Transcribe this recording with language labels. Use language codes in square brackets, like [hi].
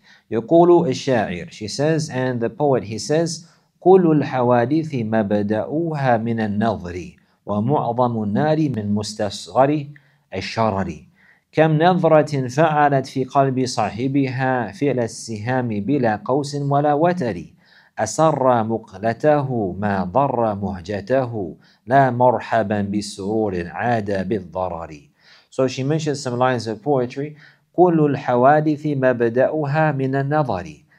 [ar] يقول الشاعر, [en] she says, and the poet, he says, [ar] كل الحوادث مبدأوها من النظر ومعظم النار من مستصغر الشرر. كم نظرة فعلت في قلب صاحبها فعل السهام بلا قوس ولا وتر أسر مقلته ما ضر مهجته لا مرحبا بسرور عاد بالضرر. [en] So she mentions some lines of poetry. [ar] كل الحوادث مبدأها من النظر.